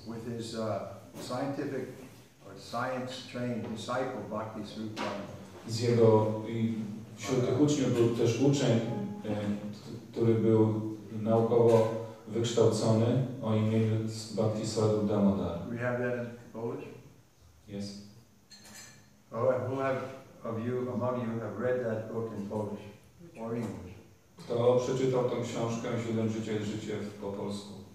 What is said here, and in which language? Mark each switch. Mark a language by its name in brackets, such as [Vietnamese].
[English] With his scientific or science trained disciple Bhakti Swarupananda. [Polish] Z jego wśród tych uczniów był też uczeń, który był naukowo wykształcony o imieniu Bhakti Swarup Damodar. [English] We have that in Polish? Yes. Oh, who have of you among you have read that book in Polish or English? [Polish] Kto przeczytał tę książkę Źródłem życia jest życie po polsku?